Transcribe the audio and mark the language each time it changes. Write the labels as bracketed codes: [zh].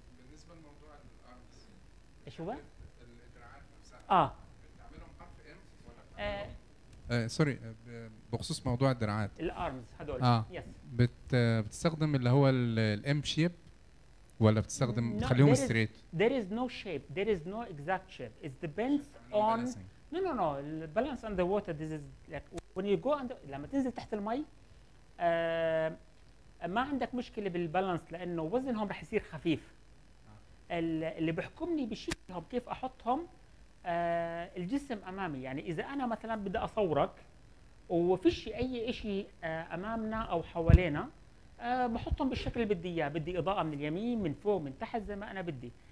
[ar] بالنسبه لموضوع الارمز ايش هو؟ الادراعات نفسها بتعملهم حرف ام ولا سوري بخصوص موضوع الدراعات الارمز هذول يس بتستخدم اللي هو الام شيب ولا بتستخدم تخليهم ستريت؟ [en] There is no shape, there is no exact shape. It depends on No. The balance on the water, this is like when you go under, [ar] لما تنزل تحت المي ما عندك مشكله بالبالانس لانه وزنهم رح يصير خفيف. اللي بحكمني بشكلهم كيف احطهم الجسم امامي. يعني اذا انا مثلا بدي اصورك وفيش اي شيء امامنا او حوالينا بحطهم بالشكل اللي بدي اياه، بدي اضاءه من اليمين من فوق من تحت زي ما انا بدي.